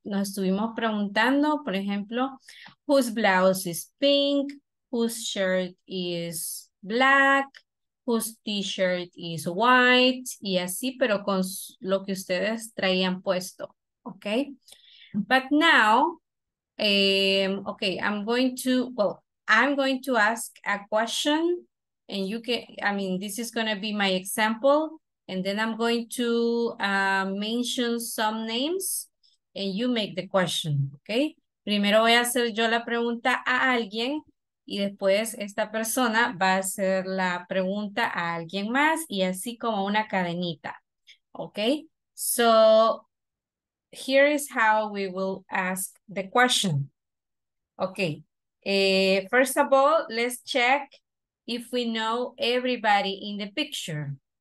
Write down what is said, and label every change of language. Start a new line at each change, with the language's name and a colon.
Spanish: Nos estuvimos preguntando, por ejemplo,
English: whose blouse is pink, whose shirt is black, whose t-shirt is white,
Spanish: y así, pero con lo que ustedes traían puesto, okay?
English: But now, okay, I'm going to ask a question, and you can, I mean, this is going to be my example, and then I'm going to mention some names, and you make the question, okay?
Spanish: Primero voy a hacer yo la pregunta a alguien, y después esta persona va a hacer la pregunta a alguien más, y así como una cadenita, okay?
English: So, here is how we will ask the question. Okay, first of all, let's check if we know everybody in the picture.